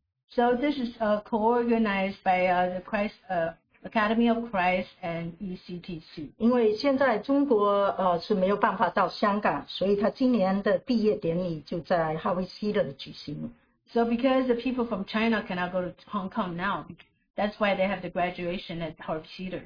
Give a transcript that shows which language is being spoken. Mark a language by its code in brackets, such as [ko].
[en] So this is co-organized by the Christ Academy of Christ and ECTC. [zh] 因为现在中国是没有办法到香港，所以他今年的毕业典礼就在哈维西勒举行。 [en] So because the people from China cannot go to Hong Kong now, that's why they have the graduation at Harvey Cedar.